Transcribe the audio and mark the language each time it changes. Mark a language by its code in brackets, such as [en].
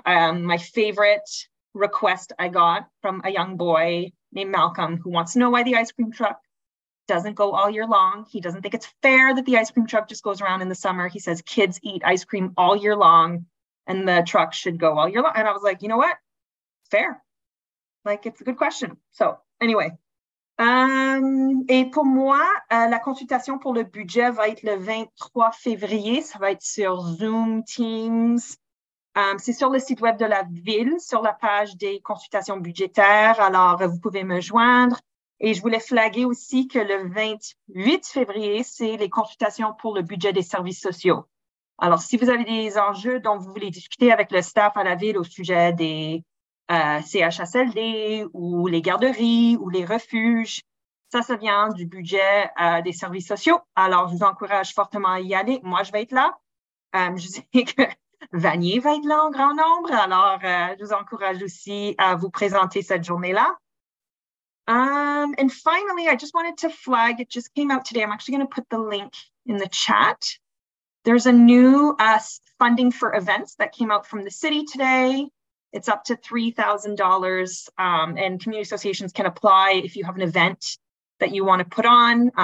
[en] My favorite request I got from a young boy named Malcolm, who wants to know why the ice cream truck doesn't go all year long. He doesn't think it's fair that the ice cream truck just goes around in the summer. He says kids eat ice cream all year long and the truck should go all year long. And I was like, you know what? Fair. Like, it's a good question. [fr] So anyway, et pour moi, la consultation pour le budget va être le 23 février. Ça va être sur Zoom, Teams. C'est sur le site web de la ville, sur la page des consultations budgétaires. Alors, vous pouvez me joindre. Et je voulais flaguer aussi que le 28 février, c'est les consultations pour le budget des services sociaux. Alors, si vous avez des enjeux dont vous voulez discuter avec le staff à la ville au sujet des CHSLD ou les garderies ou les refuges. Ça, ça vient du budget des services sociaux. Alors, je vous encourage fortement à y aller. Moi, je vais être là. Je sais que Vanier va être là en grand nombre. Alors, je vous encourage aussi à vous présenter cette journée-là. [en] And finally, I just wanted to flag, it just came out today. I'm actually going to put the link in the chat. There's a new funding for events that came out from the city today. It's up to $3,000, and community associations can apply if you have an event that you want to put on.